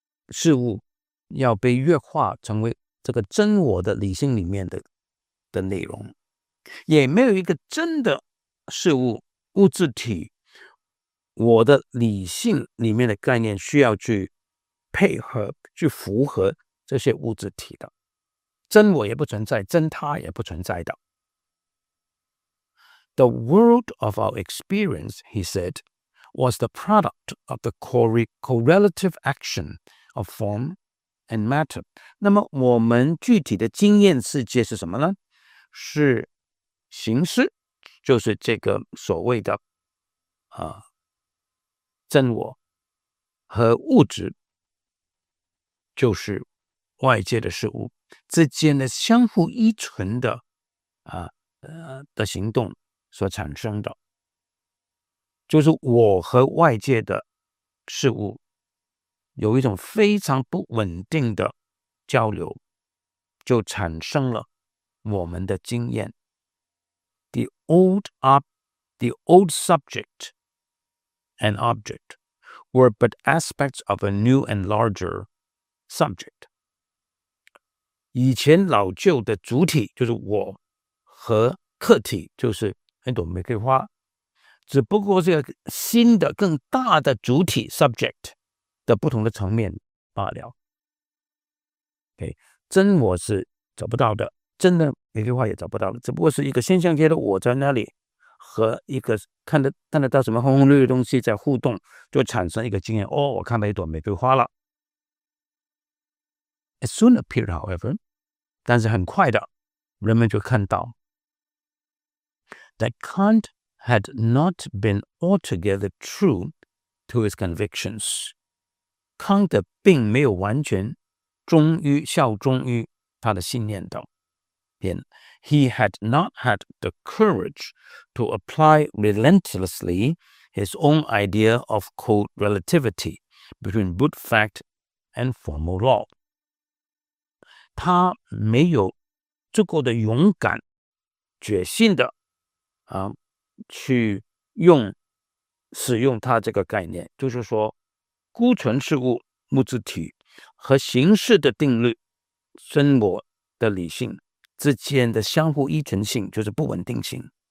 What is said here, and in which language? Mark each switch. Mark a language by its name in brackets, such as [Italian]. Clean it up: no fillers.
[Chinese] 事物要被越化成为这个真我的理性里面 的内容，也没有一个真的事物物质体，我的理性里面的概念需要去配合去符合这些物质体的，真我也不存在，真他也不存在的。 [English] The world of our experience, he said, was the product of the correlative action of form and matter. [Chinese] 那么我们具体的经验世界是什么呢？是形式，就是这个所谓的真我和物质，就是外界的事物之间的相互依存的行动所产生的，就是我和外界的事物有一种非常不稳定的交流，就产生了我们的经验。 [English] The old subject and object were but aspects of a new and larger subject. [Chinese] 以前老旧的主体就是我和客体就是那朵玫瑰花，只不过是个新的更大的主体 subject 的不同的层面罢了。 Okay, 真我是找不到的，真的玫瑰花也找不到了，只不过是一个现象界的我在那里和一个看得到什么红红绿绿的东西在互动，就产生一个经验，哦，我看到一朵玫瑰花了。 [English] It soon appeared, however, [Chinese] 但是很快的人们就看到 [English] that Kant had not been altogether true to his convictions. [Chinese] 康德并没有完全效忠于他的信念的。 [English] He had not had the courage to apply relentlessly his own idea of co-relativity between brute fact and formal law. [Chinese] 他没有足够的勇敢决心的去使用他这个概念，就是说孤存事物物质体和形式的定律真我的理性之间的相互依存性，就是不稳定性。